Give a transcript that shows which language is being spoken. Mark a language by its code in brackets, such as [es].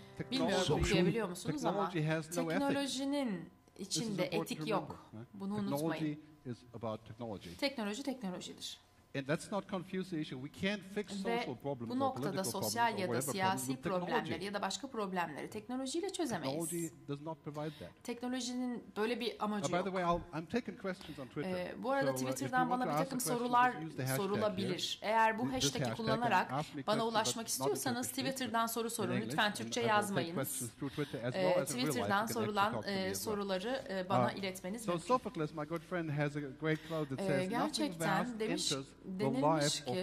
[tr] bilmiyorum okuyabiliyor musunuz ama teknolojinin içinde etik yok. Bunu [en] technology [tr] unutmayın. [en] Is about technology. [tr] Teknoloji teknolojidir. [en] And that's not confusing issue. We can't fix social problems. [tr] Bu noktada sosyal ya da siyasi problemleri ya da başka problemleri teknolojiyle çözemeyiz. [en] Technology does not provide that. [tr] Teknolojinin böyle bir amacı yok. [en] By the way, I'm taking questions on Twitter. [tr] Bu arada Twitter'dan bana bir takım sorular sorulabilir. Eğer bu hashtag'i kullanarak bana ulaşmak istiyorsanız Twitter'dan soru sorun. Lütfen Türkçe yazmayınız. Twitter'dan sorulan soruları bana iletmeniz mümkün. [en] So Sophocles, my good friend, has a great quote that says nothing vast enters.